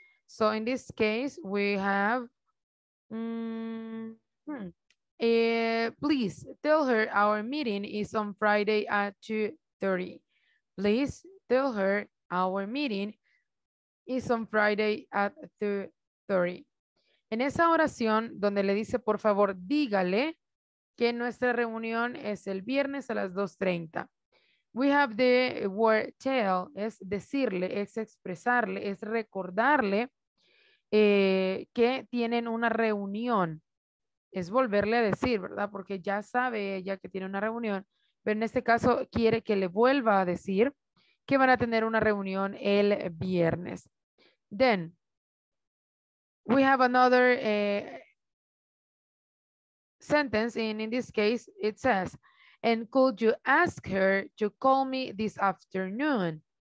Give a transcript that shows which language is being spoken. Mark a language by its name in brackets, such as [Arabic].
[English] So in this case, we have, please tell her our meeting is on Friday at 2:30. Please tell her our meeting is on Friday at 2:30. [Spanish] En esa oración donde le dice, por favor, dígale que nuestra reunión es el viernes a las 2:30. [English] We have the word tell, [Spanish] es decirle, es expresarle, es recordarle que tienen una reunión. Es volverle a decir, ¿verdad? Porque ya sabe ella que tiene una reunión, pero en este caso quiere que le vuelva a decir que van a tener una reunión el viernes. [English] Then, we have another sentence, and in this case, it says, and could you ask her to call me this afternoon?